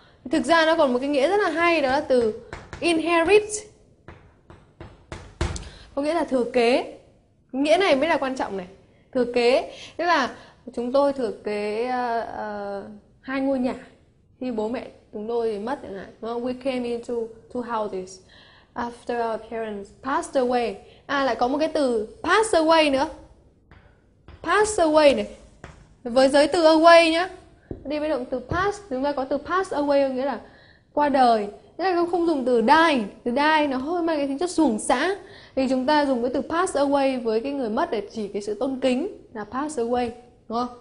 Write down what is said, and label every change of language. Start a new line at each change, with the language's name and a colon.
Vietnamese: Thực ra nó còn một cái nghĩa rất là hay, đó là từ inherit, có nghĩa là thừa kế. Nghĩa này mới là quan trọng này. Thừa kế tức là chúng tôi thừa kế hai ngôi nhà khi bố mẹ chúng tôi thì mất chẳng hạn.
English: We came into two houses after our parents passed away.
Vietnamese: À, lại có một cái từ pass away nữa. Pass away này. Với giới từ away nhá. Đi với động từ pass, chúng ta có từ pass away có nghĩa là qua đời. Thế là không dùng từ die. Từ die nó hơi mang cái tính chất suồng sã. Thì chúng ta dùng cái từ pass away với cái người mất để chỉ cái sự tôn kính là pass away. Đúng không?